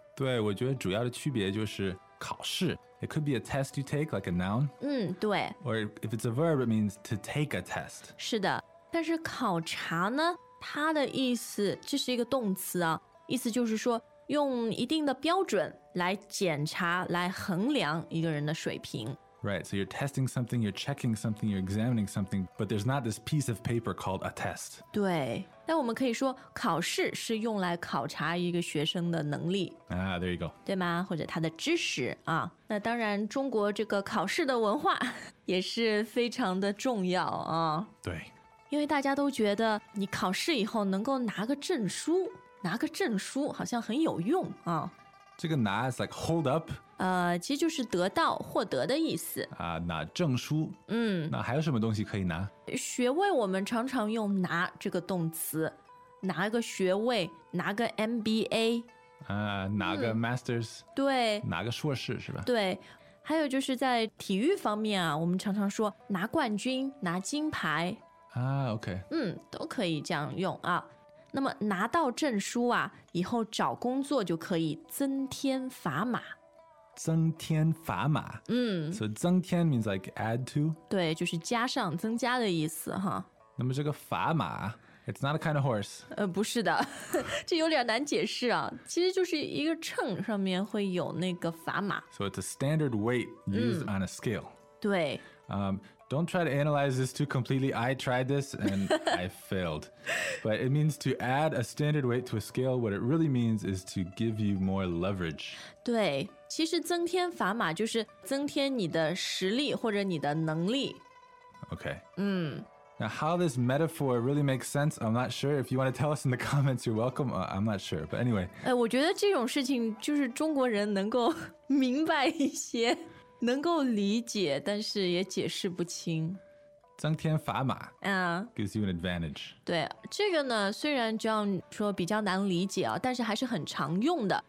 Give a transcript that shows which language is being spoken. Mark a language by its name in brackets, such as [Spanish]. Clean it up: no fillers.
[Chinese] 对，我觉得主要的区别就是考试 [English] It could be a test you take like a noun. [Chinese] 对。 [English] Or if it's a verb it means to take a test. [Chinese] 是的，但是考察呢，它的意思这是一个动词啊，意思就是说用一定的标准来检查，来衡量一个人的水平。 [English] Right, so you're testing something, you're checking something, you're examining something, but there's not this piece of paper called a test. [Chinese] 对，但我们可以说考试是用来考察一个学生的能力。 [English] There you go. [Chinese] 对吗？或者他的知识啊。那当然中国这个考试的文化也是非常的重要啊。对，因为大家都觉得你考试以后能够拿个证书，拿个证书好像很有用啊。 [English] 这个拿 is like hold up， [Chinese] 其实就是得到获得的意思啊。拿证书，那还有什么东西可以拿？学位我们常常用拿这个动词，拿个学位，拿个 MBA 啊，拿个 masters，对，拿个硕士是吧？对。还有就是在体育方面啊，我们常常说拿冠军，拿金牌啊。OK，都可以这样用啊。那么拿到证书啊，以后找工作就可以增添砝码。增添砝码。So 增添 [English] means like add to。 [Chinese] 对，就是加上，增加的意思哈。那么这个 [English] 砝码It's not a kind of horse. [Chinese] 不是的，这有点难解释啊。其实就是一个秤上面会有那个砝码。 [English] So it's a standard weight used on a scale. [Chinese] 对。 [English] Don't try to analyze this too completely. I tried this and I failed. But it means to add a standard weight to a scale. What it really means is to give you more leverage. [Chinese] 对，其实增添砝码就是增添你的实力或者你的能力。 [English] Okay. 嗯。 Now, how this metaphor really makes sense, I'm not sure. If you want to tell us in the comments, you're welcome. I'm not sure. But anyway. [Chinese] 我觉得这种事情就是中国人能够明白一些。能够理解，但是也解释不清。增添砝码、 [English] gives you an advantage. [Chinese] 对，这个呢，虽然这样说比较难理解、但是还是很常用的。